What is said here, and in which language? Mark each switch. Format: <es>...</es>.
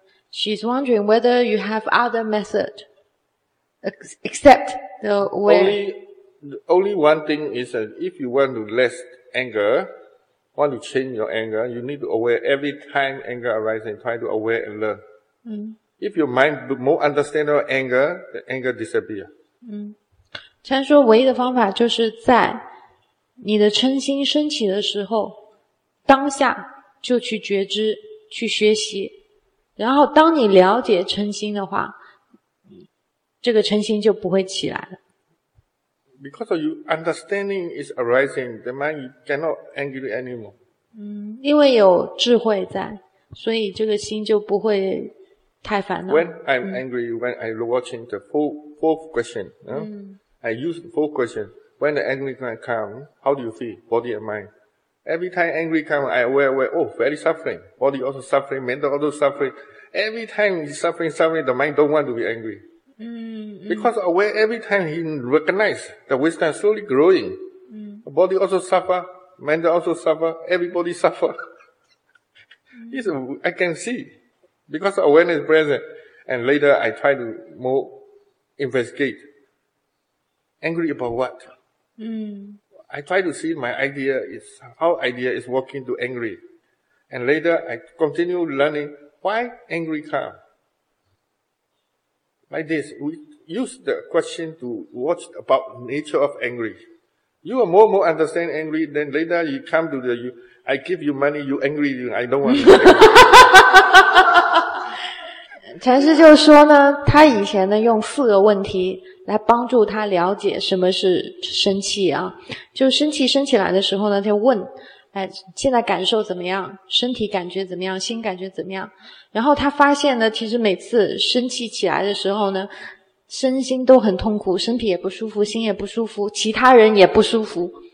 <en>She's wondering whether you have other method except the aware. Only one thing is that if you want to less anger, want to change your anger, you need to aware every time anger arises and try to aware and learn. If your mind more understand your anger, the anger disappear.</en> <zh>禅说唯一的方法就是在你的嗔心升起的时候，当下就去觉知，去学习，然后当你了解嗔心的话，这个嗔心就不会起来了。</zh> <en>Because of you understanding is arising, the mind cannot angry anymore.</en> <zh>因为有智慧在，所以这个心就不会太烦恼。</zh> <en>When I'm angry, when I'm watching the fourth question, I use four questions. When the angry mind comes, how do you feel, body and mind? Every time angry comes, I aware, oh, very suffering. Body also suffering, mental also suffering. Every time he's suffering, the mind don't want to be angry. Because aware, every time he recognizes the wisdom slowly growing. Body also suffer, mental also suffer, everybody suffer. I can see. Because awareness is present, and later I try to more investigate. Angry about what? I try to see my idea is, how idea is working to angry. And later, I continue learning why angry come. Like this, we use the question to watch about nature of angry. You are more understand angry, then later you come to the, you, I give you money, you angry, I don't want to pay.</en> <zh>禅师就说呢，他以前呢用四个问题来帮助他了解什么是生气啊，就生气生起来的时候呢，就问，哎，现在感受怎么样？身体感觉怎么样？心感觉怎么样？然后他发现呢，其实每次生气起来的时候呢，身心都很痛苦，身体也不舒服，心也不舒服，其他人也不舒服。</zh>